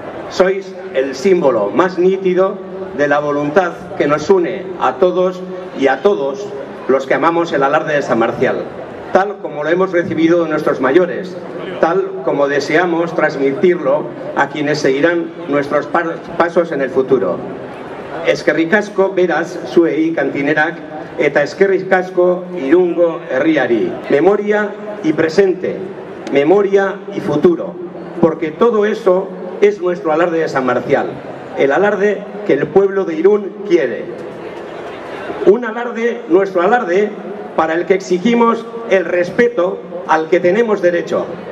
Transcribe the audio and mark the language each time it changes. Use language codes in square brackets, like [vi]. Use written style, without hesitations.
[es] Sois el símbolo más nítido de la voluntad que nos une a todos y a todos los que amamos el alarde de San Marcial, tal como lo hemos recibido de nuestros mayores, tal como deseamos transmitirlo a quienes seguirán nuestros pasos en el futuro. [eu] Eskerrik asko beraz zuei kantinerak eta eskerrik asko Irungo herriari. [es] Memoria y presente, memoria y futuro, porque todo eso es nuestro alarde de San Marcial, el alarde que el pueblo de Irún quiere. Un alarde, nuestro alarde, para el que exigimos el respeto al que tenemos derecho.